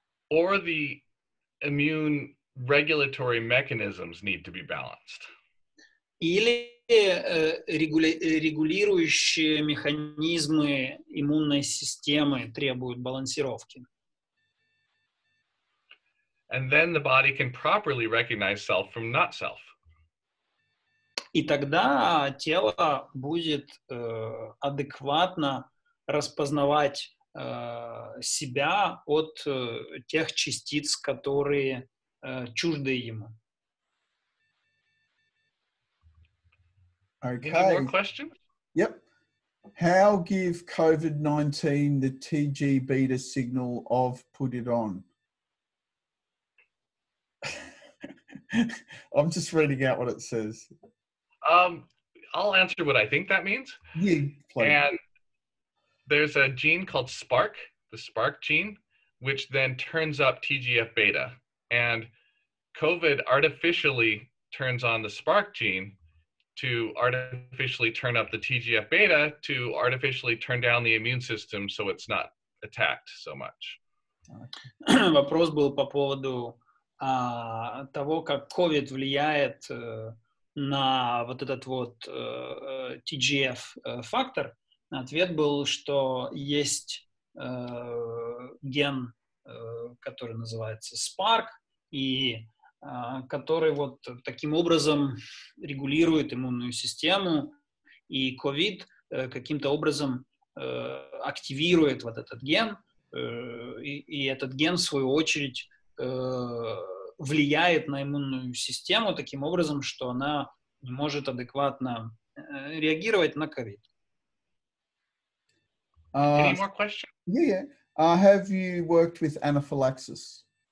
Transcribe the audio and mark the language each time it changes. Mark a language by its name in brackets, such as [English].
[English] Or the immune regulatory mechanisms need to be balanced. [Russian] или регулирующие механизмы иммунной системы требуют балансировки. [English] And then the body can properly recognize self from not self. [Russian] И тогда тело будет адекватно распознавать себя от тех частиц, которые чужды ему. [English] Okay. More questions? Yep. How give COVID-19 the TG beta signal of put it on? I'm just reading out what it says. I'll answer what I think that means. Yeah, please. And there's a gene called SPARK, the SPARK gene, which then turns up TGF beta. And COVID artificially turns on the SPARK gene to artificially turn up the TGF beta to artificially turn down the immune system so it's not attacked so much. [Russian] Вопрос был по поводу того, как COVID влияет на вот этот вот TGF фактор. Ответ был, что есть ген, который называется SPARK, и который вот таким образом регулирует иммунную систему, и COVID каким-то образом активирует вот этот ген, и этот ген, в свою очередь, влияет на иммунную систему таким образом, что она не может адекватно реагировать на COVID. [English] Any more questions? Yeah. Have you worked with anaphylaxis?